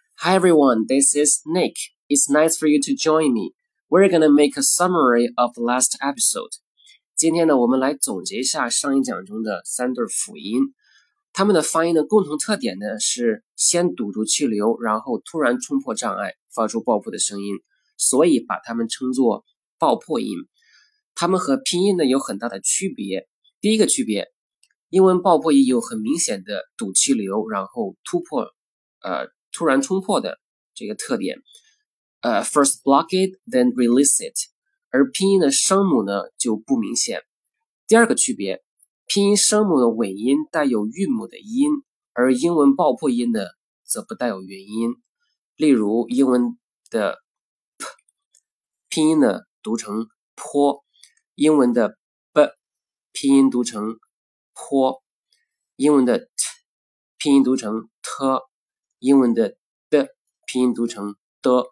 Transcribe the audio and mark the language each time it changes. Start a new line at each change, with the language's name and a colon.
English: Hi everyone, this is Nick. It's nice for you to join me. We're gonna make a summary of the last episode.
Chinese: 今天呢，我们来总结一下上一讲中的三对辅音。它们的发音的共同特点呢，是先堵住气流，然后突然冲破障碍，发出爆破的声音，所以把它们称作爆破音。它们和拼音呢有很大的区别。第一个区别，英文爆破音有很明显的堵气流，然后突然冲破的这个特点。
English: First block it, then release it.
Chinese: 而拼音的声母呢就不明显。第二个区别，拼音声母的尾音带有韵母的音，而英文爆破音呢则不带有元音。例如英文的 p, 拼音呢读成坡，英文的 b, 拼音读成坡，英文的 t, 拼音读成 t,英文的 d 拼音读成 d,